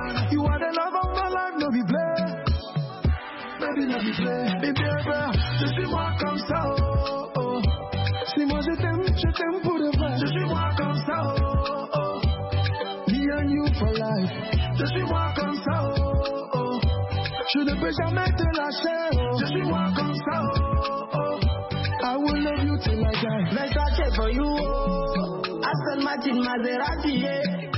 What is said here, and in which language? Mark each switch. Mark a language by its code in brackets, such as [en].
[en] You are the love of my life, no be play. Baby, no be play. Be careful, [fr] je suis moi comme ça, oh, oh. Si moi je t'aime pour de vrai. Je suis moi comme ça, oh, oh. [en] Me and you for life. [fr] Je suis moi comme ça, oh, oh. Je ne peux jamais te lâcher, oh. Je suis moi comme ça, oh, oh. [en] I will love you till I die. Let's watch it for you, oh. I spend much in Maserati, yeah.